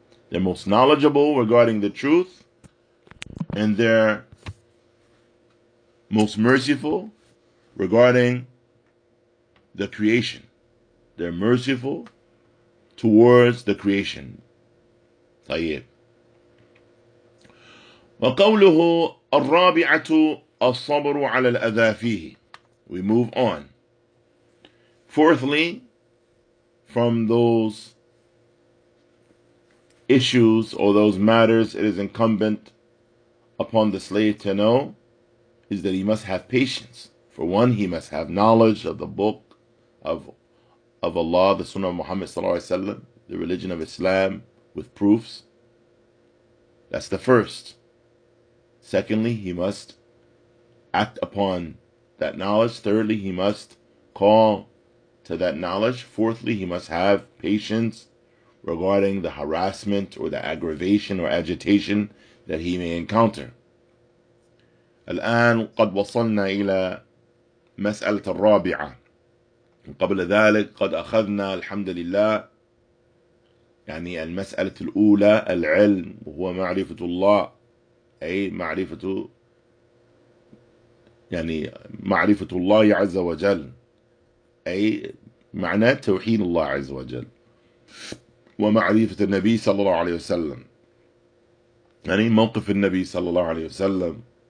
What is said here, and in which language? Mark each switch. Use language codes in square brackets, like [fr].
[en] They're most knowledgeable regarding the truth and they're most merciful regarding the creation. They're merciful towards the creation. [ar] طيب. وقوله الرابعة الصبر على الأذى فيه. [en] We move on. Fourthly, from those issues or those matters it is incumbent upon the slave to know is that he must have patience. For one, he must have knowledge of the book of Allah, the Sunnah of Muhammad sallallahu alaihi wasallam, the religion of Islam with proofs. That's the first. Secondly, he must act upon that knowledge. Thirdly, he must call to that knowledge. Fourthly, he must have patience regarding the harassment or the aggravation or agitation that he may encounter. [ar] الآن قد وصلنا إلى مسألة الرابعة. قبل ذلك قد أخذنا الحمد لله يعني المسألة الأولى العلم وهو معرفة الله أي معرفته، يعني معرفة الله عز وجل، أي معناه توحيد الله عز وجل، ومعرفة النبي صلى الله عليه وسلم، يعني موقف النبي صلى الله عليه وسلم.